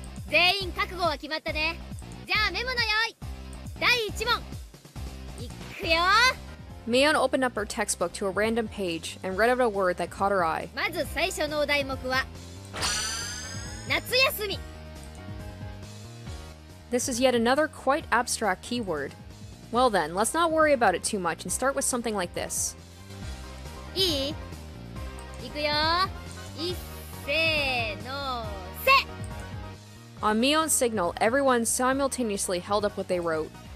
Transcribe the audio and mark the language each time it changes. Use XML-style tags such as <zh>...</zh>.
<ja>全員覚悟は決まったね。じゃあメモの用意。第1問。いくよ。</ja> <en>Mion opened up her textbook to a random page and read out a word that caught her eye.</en> <ja>まず最初のお題目は夏休み。</ja> <en>This is yet another quite abstract keyword. Well then, let's not worry about it too much and start with something like this.</en> <ja>いい？いくよ。いっせーのせ。</ja> <en>On Mion's signal, everyone simultaneously held up what they wrote.</en>